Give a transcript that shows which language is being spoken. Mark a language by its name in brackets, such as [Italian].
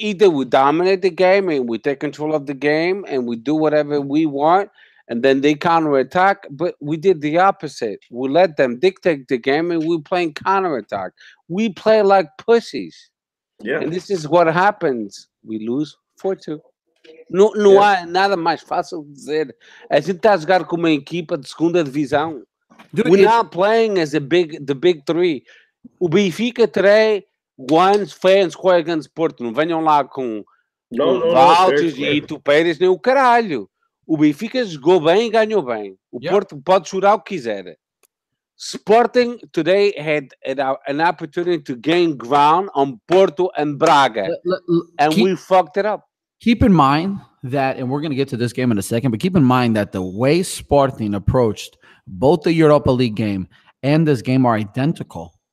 [English] we dominate the game and we take control of the game and we do whatever we want, and then they counterattack. But we did the opposite. We let them dictate the game and we're playing counterattack. We play like pussies. Yeah. And this is what happens. We lose 4-2. [Portuguese] Não há nada mais fácil de dizer. A gente está a jogar com uma equipa de segunda divisão. [English] We're not playing as the big three. [Portuguese] O Benfica três. Ones, fans, Coegans, Porto, não venham lá com Valtes e Tupéres, nem o caralho. O Benfica jogou bem e ganhou bem. O Porto pode chorar o que quiser. [English] Sporting today had an opportunity to gain ground on Porto and Braga. We fucked it up. Keep in mind that, and we're going to get to this game in a second, but keep in mind that the way Sporting approached both the Europa League game and this game are identical.